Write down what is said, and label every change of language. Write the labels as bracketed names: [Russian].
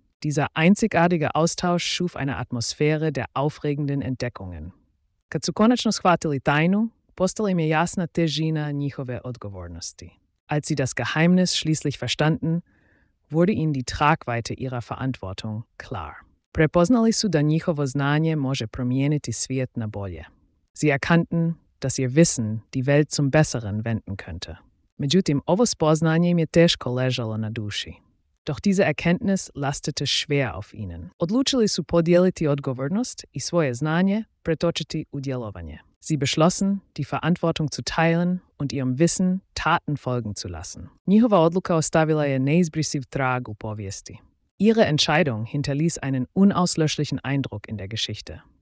[German] Dieser einzigartige Austausch schuf eine Atmosphäre der aufregenden Entdeckungen. [Croatian] Kad su konačno shvatili tajnu, postala im je jasna težina njihove odgovornosti. [German] Als sie das Geheimnis schließlich verstanden, wurde ihnen die Tragweite ihrer Verantwortung klar. [Croatian] Prepoznali su da njihovo znanje može promijeniti svijet na bolje. [German] Sie erkannten, dass ihr Wissen die Welt zum Besseren wenden könnte. [Croatian] Međutim, ovo spoznanje im je teško ležalo na duši. [German] Doch diese Erkenntnis lastete schwer auf ihnen. [Croatian] Odlučili su podijeliti odgovornost i svoje znanje pretočiti u djelovanje. [German] Sie beschlossen, die Verantwortung zu teilen und ihrem Wissen Taten folgen zu lassen. [Croatian] Njihova odluka ostavila je neizbrisiv trag u povijesti. [German] Ihre Entscheidung hinterließ einen unauslöschlichen Eindruck in der Geschichte.